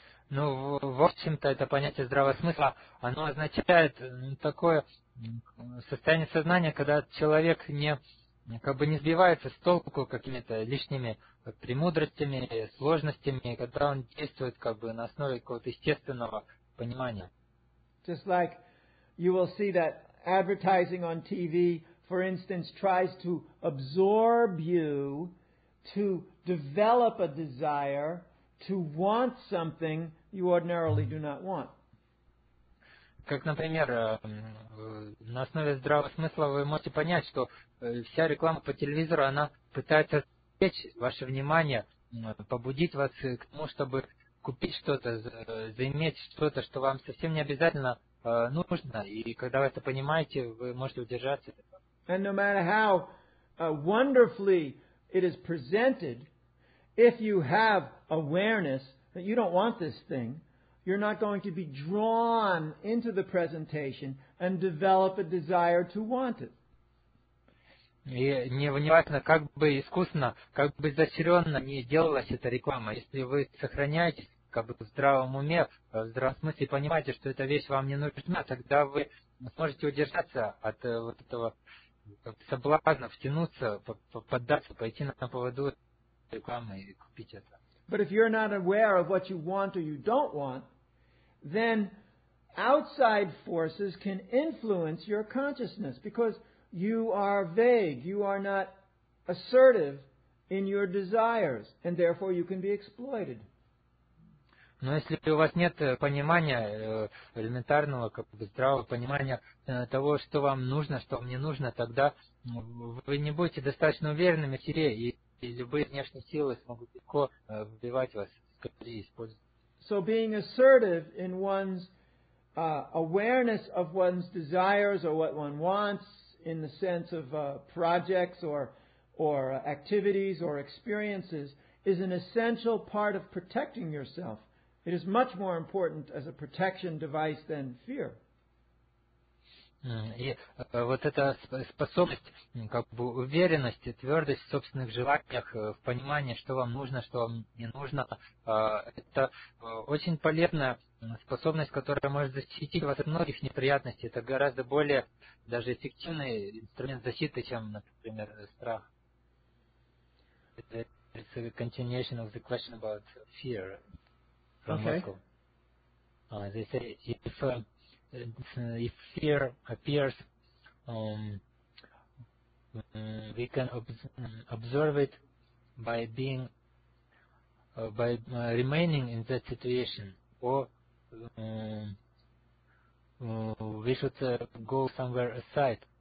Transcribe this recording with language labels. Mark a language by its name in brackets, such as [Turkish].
[Russian] Ну, в общем-то, это понятие здравого смысла, оно означает такое состояние сознания, когда человек не, как бы не сбивается с толку какими-то лишними премудростями, сложностями, когда он действует как бы на основе какого-то естественного понимания. [English] Just like you will see that advertising on TV, for instance, tries to absorb you to develop a desire to want something you ordinarily do not want. [Russian] Как, например, на основе здравого смысла вы можете понять, что вся реклама по телевизору, она пытается отвлечь ваше внимание, побудить вас к тому, чтобы купить что-то, заиметь что-то, что вам совсем не обязательно нужно. И когда вы это понимаете, вы можете удержаться. [English] And no matter how wonderfully it is presented, if you have awareness that you don't want this thing, you're not going to be drawn into the presentation and develop a desire to want it. [Russian] И неважно, как бы искусно, как бы изощренно не делалась эта реклама, если вы сохраняете как бы в здравом уме, в здравом смысле, понимаете, что эта вещь вам не нужна, тогда вы сможете удержаться от вот этого соблазна, втянуться, поддаться, пойти на поводу рекламы и купить это. [English] But if you're not aware of what you want or you don't want, then outside forces can influence your consciousness because you are vague, you are not assertive in your desires, and therefore you can be exploited. [Russian] Но если у вас нет понимания элементарного, как бы здравого понимания того, что вам нужно, что вам не нужно, тогда вы не будете достаточно уверенными в себе, и любые внешние силы смогут легко вбивать вас, скорее использовать. [English] So being assertive in one's awareness of one's desires or what one wants in the sense of projects or activities or experiences is an essential part of protecting yourself. It is much more important as a protection device than fear. [Russian] И вот эта способность, как бы уверенность, твердость в собственных желаниях, в понимании, что вам нужно, что вам не нужно, это очень полезная способность, которая может защитить вас от многих неприятностей. Это гораздо более даже эффективный инструмент защиты, чем, например, страх. [English] It's a continuation of the question about fear. Okay. They say if fear appears, we can observe it by being by remaining in that situation, or we should go somewhere aside.